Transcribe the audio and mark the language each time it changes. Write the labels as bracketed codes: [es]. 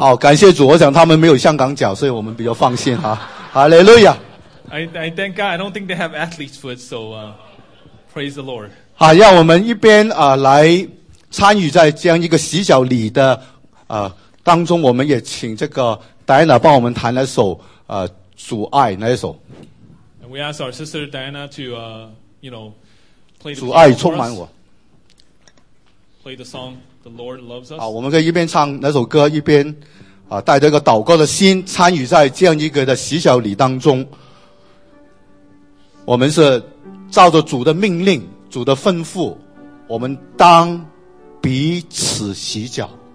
[zh] 好，感谢主，我想他们没有香港脚，所以我们比较放心。 [en] Hallelujah. I thank God, I don't think they have athlete's foot, so praise the Lord. [zh] 好，让我们一边来参与在这样一个洗脚礼的当中，我们也请这个 Diana 帮我们弹了首主爱那一首。 [en] And we ask our sister Diana to, you know, play the [zh] 主爱充满我。 [en] Play the song, The Lord Loves Us. [zh] 好，我们可以一边唱那首歌，一边带着一个祷告的心参与在这样一个的洗脚礼当中。我们是照着主的命令、主的吩咐，我们当彼此洗脚。